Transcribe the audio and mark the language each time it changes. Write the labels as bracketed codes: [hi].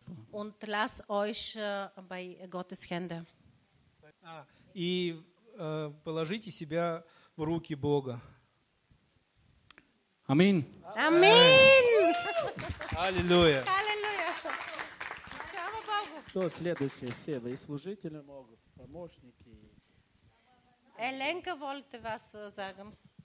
[de] Und lass euch bei Gottes Hände. [ru] И положите себя в руки Бога. Амин. Амин. Аллилуйя. Аллилуйя. Слава Богу. Кто следующий? Все вы служители могут, помощники. [de] Еленка wollte was sagen.